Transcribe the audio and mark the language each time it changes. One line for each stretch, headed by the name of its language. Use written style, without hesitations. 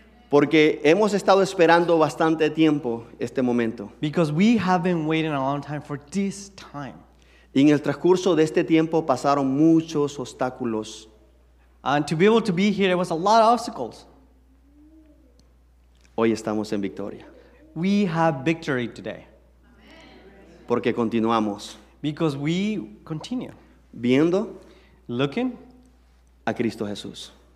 Spanish: Porque hemos estado esperando bastante tiempo este momento.
English: Because we have been waiting a long time for this time.
Spanish: Y en el transcurso de este tiempo pasaron muchos obstáculos.
English: And to be able to be here, there was a lot of obstacles.
Spanish: Hoy estamos en victoria.
English: We have victory today.
Spanish: Porque continuamos.
English: Because we continue.
Spanish: Viendo.
English: Looking.
Spanish: A Cristo Jesús.